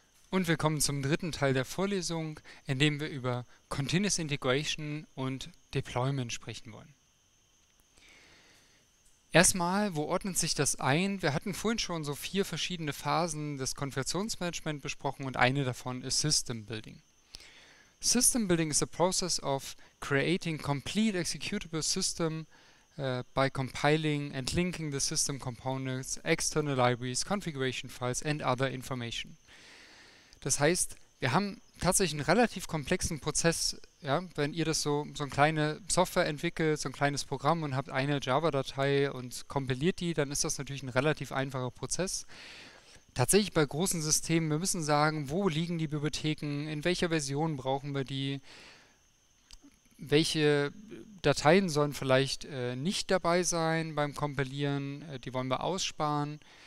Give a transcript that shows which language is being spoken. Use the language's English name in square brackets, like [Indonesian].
[German] Und willkommen zum dritten Teil der Vorlesung, in dem wir über Continuous Integration und Deployment sprechen wollen. Erstmal, wo ordnet sich das ein? Wir hatten vorhin schon so vier verschiedene Phasen des Konfigurationsmanagements besprochen und eine davon ist System Building. [English] System Building is a process of creating complete executable system by compiling and linking the system components, external libraries, configuration files and other information. [German] Das heißt, wir haben tatsächlich einen relativ komplexen Prozess, ja, wenn ihr das so eine kleine Software entwickelt, so ein kleines Programm und habt eine Java-Datei und kompiliert die, dann ist das natürlich ein relativ einfacher Prozess. Tatsächlich bei großen Systemen, wir müssen sagen, wo liegen die Bibliotheken, in welcher Version brauchen wir die, welche Dateien sollen vielleicht nicht dabei sein beim Kompilieren, die wollen wir aussparen.